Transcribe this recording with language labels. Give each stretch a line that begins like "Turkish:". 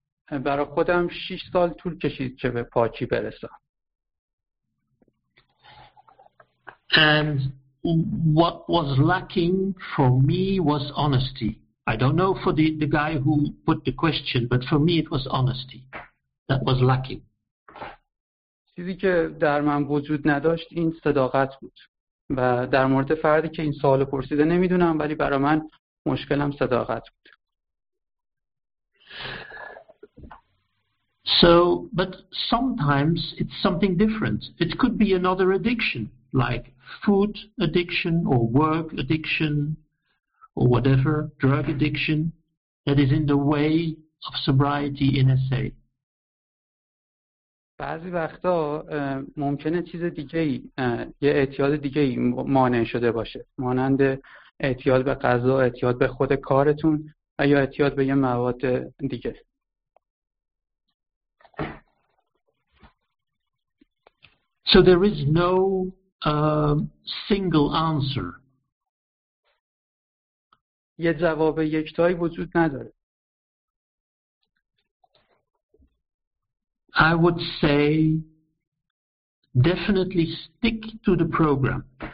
Persian: برای خودم 6 سال طول کشید که به پاکی برسم.
English: And what was lacking for me was honesty. I don't know for the guy who put the question, but for me it was honesty that was lacking.
Persian: چیزی که در من وجود نداشت این صداقت بود. و در مورد فردی که این سوال پرسیده نمیدونم، ولی برای من مشکلم صداقت بود.
English: So, but sometimes it's something different. It could be another addiction, like food addiction or work addiction. Or whatever drug addiction that is in the way of sobriety in SA.
Persian: بعضی وقتا ممکنه چیز دیگه‌ای، یه اعتیاد دیگه‌ای مانع شده باشه، مانند اعتیاد به غذا، اعتیاد به خود کارتون یا اعتیاد به یه مواد دیگه.
English: So there is no single answer.
Persian: یه جواب یکتایی وجود نداره.
English: I would say definitely stick to the program.